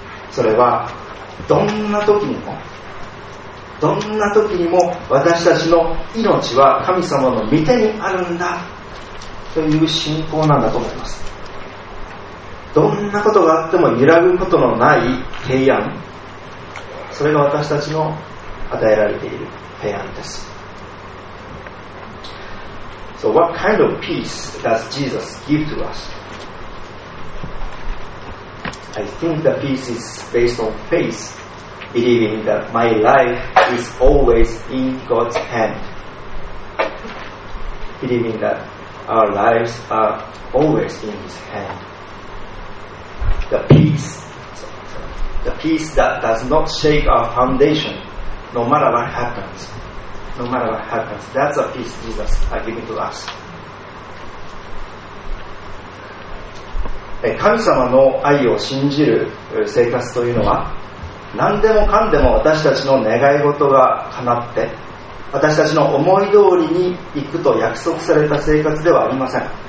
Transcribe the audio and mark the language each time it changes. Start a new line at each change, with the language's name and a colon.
Japanese: それはどんな時にも、どんな時にも私たちの命は神様の御手にあるんだという信仰なんだと思います。どんなことがあっても揺らぐことのない平安、それが私たちの与えられている平安です。
English: So what kind of peace does Jesus give to us? I think the peace is based on faithBelieving that my life is always in God's hand. Believing that our lives are always in His hand. The peace that does not shake our foundation, no matter what happens. No matter what happens. That's the peace Jesus has given to us.
Japanese: 神様の愛を信じる生活というのは、何でもかんでも私たちの願い事が叶って私たちの思い通りに行くと約束された生活ではありません。